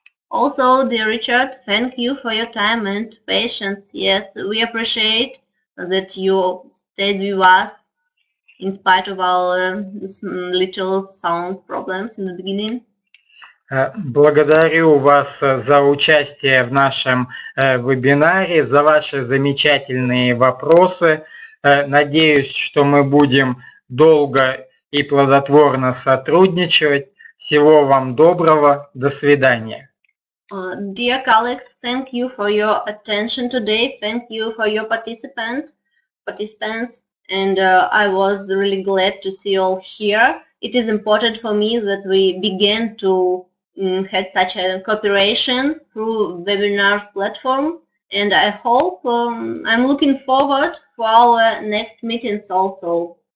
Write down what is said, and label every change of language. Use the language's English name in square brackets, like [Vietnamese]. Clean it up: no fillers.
[English] Also, dear Richard, thank you for your time and patience. Yes, we appreciate that you stayed with us in spite of our little sound problems in the beginning. [Russian] Благодарю вас за участие в нашем вебинаре, за ваши замечательные вопросы. Надеюсь, что мы будем долго и плодотворно сотрудничать. Всего вам доброго. До свидания. [English] Dear colleagues, thank you for your attention today. Thank you for your participants. And I was really glad to see you all here. It is important for me that we begin to had such a cooperation through webinars platform, and I hope I'm looking forward for our next meetings also.